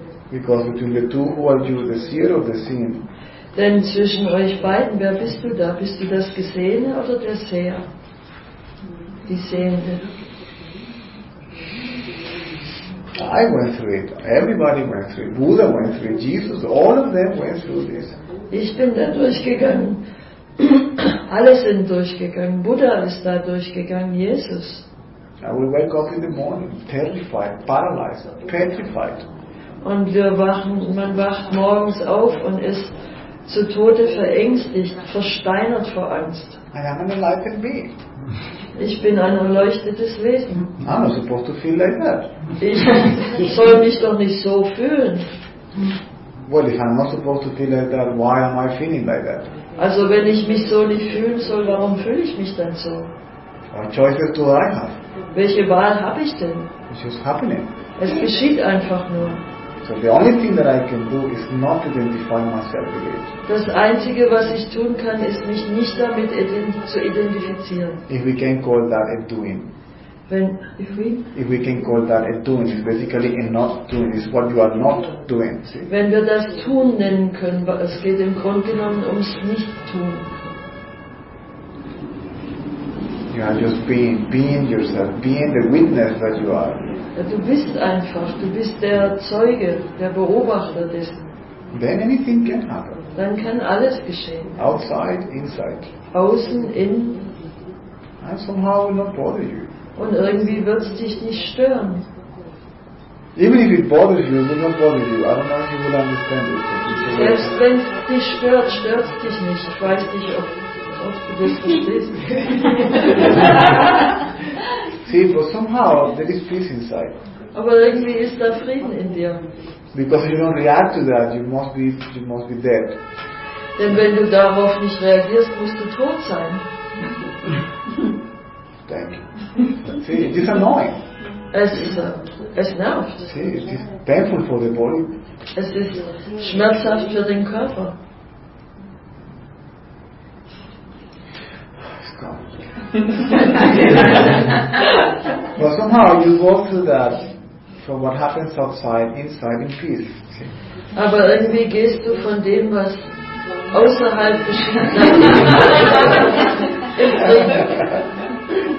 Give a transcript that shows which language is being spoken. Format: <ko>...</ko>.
<en>Because between the two, who are you, the seer or the seen?</en> <de>Denn zwischen euch beiden, wer bist du da? Bist du das Gesehene oder der Seher? Die Sehende.</de> <en>I went through it. Everybody went through it. Buddha went through it. Jesus, all of them went through this.</en> <de>Ich bin da durchgegangen. Alle sind durchgegangen. Buddha ist da durchgegangen. Jesus.</de> <en>And we wake up in the morning, terrified, paralyzed, petrified.</en> <de>Und wir wachen, man wacht morgens auf und ist zu Tode verängstigt, versteinert vor Angst.</de> <en>I am an enlightened being.</en> <de>Ich bin ein erleuchtetes Wesen.</de> <en>I'm not supposed to feel like that.</en> <de>Ich soll mich doch nicht so fühlen.</de> <en>Well, if I'm not supposed to feel like that, why am I feeling like that?</en> <de>Also wenn ich mich so nicht fühlen soll, warum fühle ich mich dann so?</de> <en>What choice do I have?</en> <de>Welche Wahl habe ich denn?</de> <en>It's just happening.</en> <de>Es geschieht einfach nur.</de> <en>So the only thing that I can do is not identify myself with it.</en> <de>Das Einzige, was ich tun kann, ist mich nicht damit zu identifizieren.</de> <en>If we can call that a doing. When, if we can call that a doing, it's basically a not doing, it's what you are not doing. See?</en> <de>Wenn wir das Tun nennen können, es geht im Grunde genommen ums Nicht-Tun.</de> <en>You are just being yourself, being the witness that you are.</en> <de>Ja, du bist einfach, du bist der Zeuge, der Beobachter dessen.</de> <en>Then anything can happen.</en> <de>Dann kann alles geschehen.</de> <en>Outside, inside.</en> <de>Außen, innen.</de> <en>And somehow will not bother you.</en> <de>Und irgendwie wird es dich nicht stören.</de> <en>Even if it bothers you, it will not bother you. I don't know if you will understand it.</en> <de>Selbst wenn es dich stört, stört es dich nicht. Ich weiß nicht, ob du das verstehst.</de> <en>See, but somehow there is peace inside.</en> <de>Aber irgendwie ist da Frieden in dir.</de> <en>Because if you don't react to that, you must be dead.</en> <de>Denn wenn du darauf nicht reagierst, musst du tot sein.</de> <en>Thank you. See, it is annoying.</en> <de>Es nervt.</de> <en>See, it is painful for the body.</en> <de>Es ist schmerzhaft für den Körper.</de> <en>It's gone. But somehow you go through that from what happens outside, inside in peace. See?</en> <de>Aber irgendwie gehst du von dem, was außerhalb geschieht.</de>